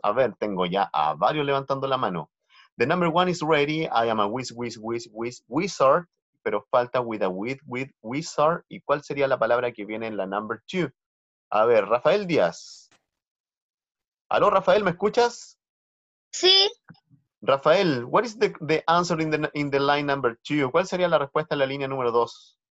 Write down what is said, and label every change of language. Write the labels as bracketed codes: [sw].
[es] A ver, tengo ya a varios levantando la mano. [en] The number 1 is ready. I am a wizard. [es] Pero falta [en] with a with wizard. [es] ¿Y cuál sería la palabra que viene en la [en] number 2? [es] A ver, Rafael Díaz. Aló, Rafael, ¿me escuchas? Sí. [en] Rafael, what is the answer in the line number two? [es] ¿Cuál sería la respuesta en la línea número dos?